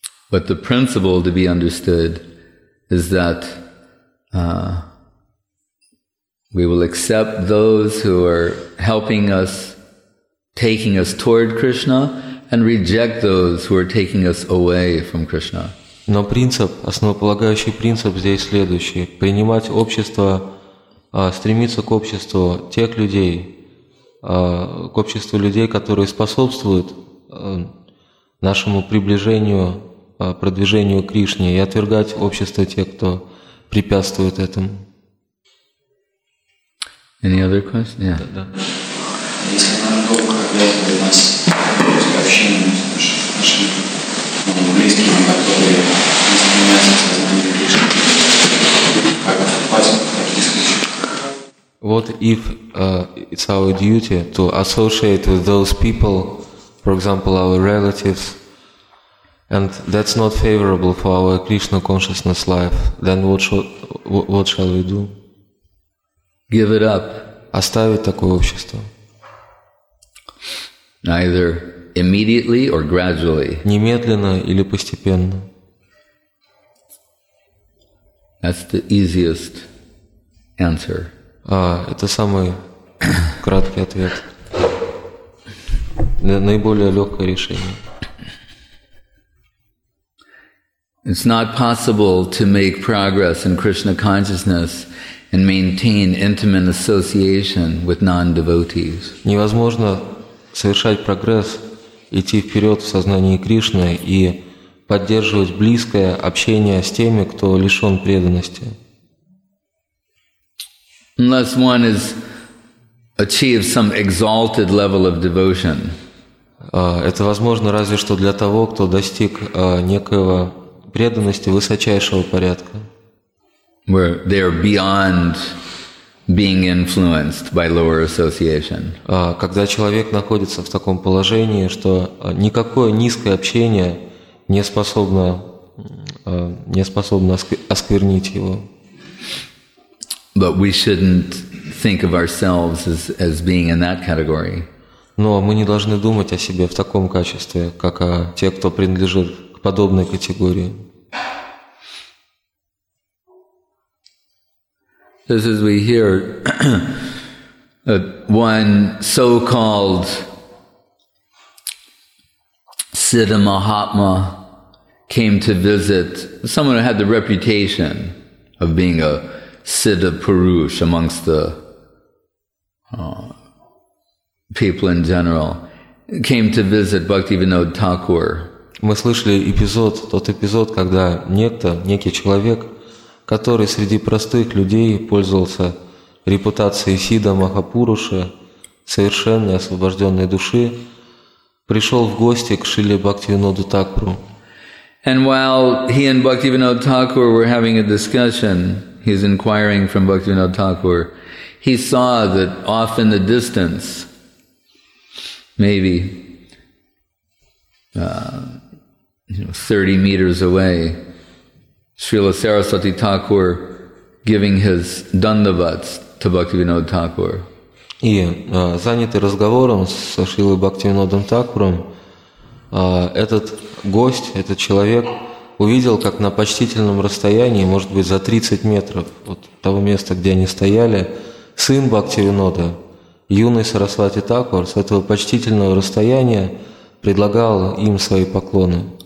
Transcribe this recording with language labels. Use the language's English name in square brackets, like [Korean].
[English] But the principle to be understood is that we will accept those who are helping us, taking us toward Krishna, and reject those who are taking us away from Krishna. [Russian] Но принцип, основополагающий принцип здесь следующий: принимать общество, стремиться к обществу тех людей, к обществу людей, которые способствуют нашему приближению, продвижению Кришне, и отвергать общество тех, кто препятствует этому. [English] Any other question? Yeah. [Russian] Да. Если нам долго опять приносить общение с нашими близкими, которые не занимаются сознанием Кришны, как отступать от таких случаев? [English] What if it's our duty to associate with those people, for example, our relatives, and that's not favorable for our Krishna consciousness life, then what shall we do? Give it up. [Russian] Оставить такое общество. [English] Either immediately or gradually. [Russian] Немедленно или постепенно. [English] That's the easiest answer. [Russian] Это самый краткий ответ. Наиболее легкое решение. [English] It's not possible to make progress in Krishna consciousness and maintain intimate association with non-devotees. [Russian] Невозможно совершать прогресс, идти вперед в сознании Кришны и поддерживать близкое общение с теми, кто лишен преданности. [English] Unless one has achieved some exalted level of devotion. [Russian] Это возможно разве что для того, кто достиг некоего преданности высочайшего порядка. [English] Where they are beyond being influenced by lower association. [Russian] Когда человек находится в таком положении, что никакое низкое общение не способно осквернить его. [English] But we shouldn't think of ourselves as being in that category. [Russian] Но мы не должны думать о себе в таком качестве, как о тех, кто принадлежит к подобной категории. [English] This is we hear that one so-called Siddha Mahatma came to visit someone who had the reputation of being a Siddha Purush amongst the people in general, came to visit Bhaktivinoda Thakur. [Russian] Мы слышали эпизод, тот эпизод, когда некий человек, который среди простых людей пользовался репутацией Сидда Махапуруша, совершенной освобожденной души, пришел в гости к Шриле Бхактивиноду Такуру. [English] And while he and Bhaktivinoda Thakur were having a discussion, he's inquiring from Bhaktivinoda Thakur, he saw that off in the distance, maybe 30 meters away, Srila Saraswati Thakur giving his dandavats to Bhaktivinoda Thakur. [Russian] И занятый разговором со Шрилой Бхактивинодом Такуром, этот гость, этот человек, увидел, как на почтительном расстоянии, может быть, за 30 метров от того места, где они стояли, сын Бхактивинода, юный Сарасвати Такур, с этого почтительного расстояния предлагал им свои поклоны.